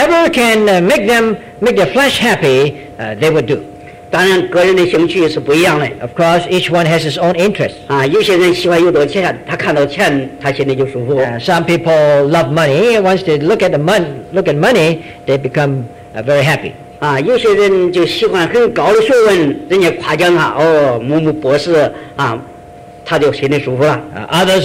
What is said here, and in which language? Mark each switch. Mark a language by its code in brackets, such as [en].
[en] can make their flesh happy, they will do. [zh] 当然，个人的兴趣是不一样的。 [en] Of course, each one has his own interest. [zh] 有些人喜欢有多钱，他看到钱，他心里就舒服。 [en] Some people love money. Once they look at money, they become very happy. [zh] 有些人就喜欢很高的学问，人家夸奖他，哦，某某博士，他就心里舒服了。 [en] Others